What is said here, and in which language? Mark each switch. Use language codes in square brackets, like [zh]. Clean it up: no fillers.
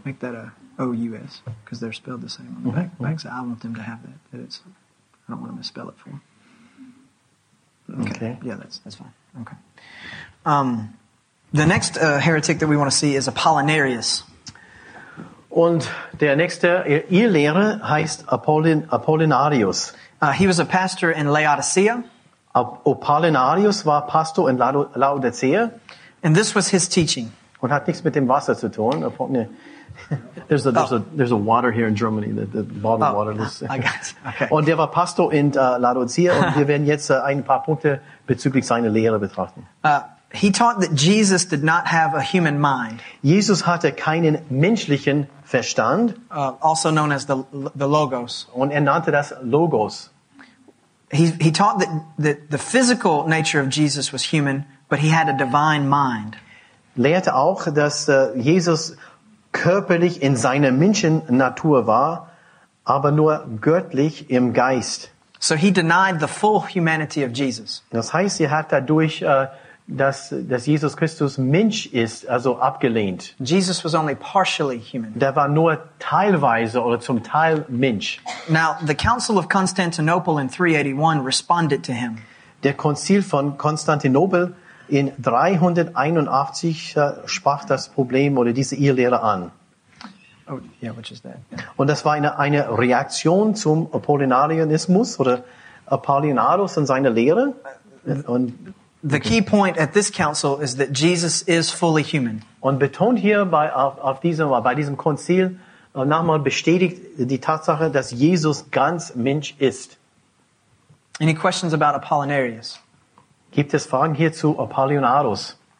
[en] Make that a O-U-S because they're spelled the same on the back. Okay. Back. I want them to have that. It's, I don't want to misspell it for them. Okay. Yeah, that's fine. Okay. The next heretic that we want to see is Apollinarius. [de] Und der nächste Irrlehrer heißt Apollinarius. [en] He was a pastor in Laodicea. [de] Apollinarius war Pastor in Laodicea. [en] And this was his teaching. [de] Und hat nichts mit dem Wasser zu tun. [en] There's a water here in Germany, the bottled water. I got it. Okay. [de] Und der war Pastor in Laodicea. Und wir werden jetzt ein paar Punkte bezüglich seiner Lehre betrachten. [en] He taught that Jesus did not have a human mind. [de] Jesus hatte keinen menschlichen Verstand. [en] Also known as the Logos. [de] Und nannte das Logos. [en] He taught that the physical nature of Jesus was human, but he had a divine mind. [de] Lehrte auch, dass Jesus körperlich in seiner Menschennatur war, aber nur göttlich im Geist. [en] So he denied the full humanity of Jesus. [de] Das heißt, er hat dadurch, dass Jesus Christus Mensch ist, also abgelehnt. [en] Jesus was only partially human. [de] Der war nur teilweise oder zum Teil Mensch. [en] Now the Council of Constantinople in 381 responded to him. [de] Der Konzil von Konstantinopel in 381 sprach das Problem oder diese Irrlehre an. [en] Oh, yeah, which is that? Yeah. [de] Und das war eine Reaktion zum Apollinarianismus oder Apollinarius und seine Lehre. [en] Und the key point at this council is that Jesus is fully human. [de] Und betont hier bei diesem Konzil nochmal bestätigt die Tatsache, dass Jesus ganz Mensch ist. [en] Any questions about Apollinarius? [de] Gibt es Fragen hier zu Apollinarius?